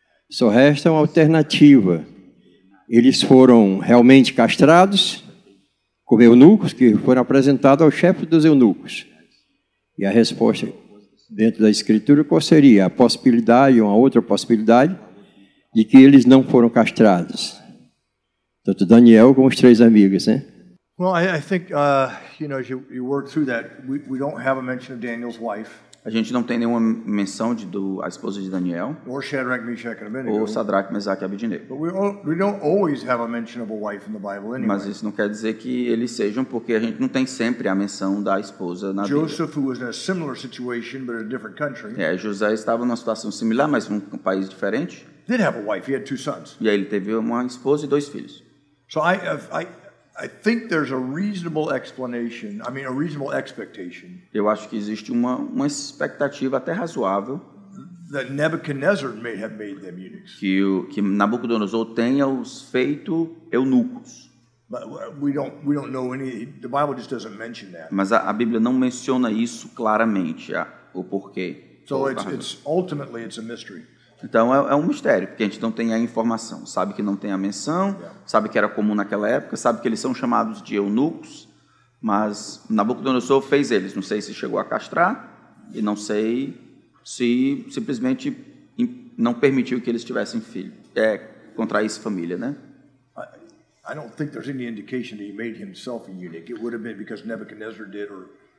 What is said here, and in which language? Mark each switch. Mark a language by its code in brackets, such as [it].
[pt] Só resta uma alternativa. Eles foram realmente castrados, como eunucos, que foram apresentados ao chefe dos eunucos. E a resposta dentro da escritura, qual seria? A possibilidade, uma outra possibilidade, de que eles não foram castrados. Tanto Daniel como os três amigos, né? [en] Well, I think, you know, as you work through that, we don't have a mention of Daniel's wife. [pt] A gente não tem nenhuma menção de a esposa de Daniel. [en] Or Shadrach, Meshach, and Abednego. [pt] Ou Sadraque, Mesaque e Abednego. [en] But we don't always have a mention of a wife in the Bible anyway. [pt] Mas isso não quer dizer que eles sejam, porque a gente não tem sempre a menção da esposa na Bíblia. [en] Joseph, who was in a similar situation, but in a different country. [pt] José estava numa situação similar, mas num país diferente. [en] Did have a wife. He had two sons. [pt] E aí ele teve uma esposa e dois filhos. [en] So I think there's a reasonable explanation. I mean, a reasonable expectation. [pt] Eu acho que existe uma expectativa até razoável. [en] That Nebuchadnezzar may have made them eunuchs. [pt] Que Nabucodonosor tenha os feito eunucos. [en] But we don't know any. The Bible just doesn't mention that. [pt] Mas a Bíblia não menciona isso claramente, o porquê. [en] So it's ultimately it's a mystery. [pt] Então é um mistério, porque a gente não tem a informação. Sabe que não tem a menção, sabe que era comum naquela época, sabe que eles são chamados de eunucos, mas Nabucodonosor fez eles. Não sei se chegou a castrar e não sei se simplesmente não permitiu que eles tivessem filho, contraísse família, né? [en] I don't think there's any indication that he made himself a eunuch. It would have been because Nebuchadnezzar did or...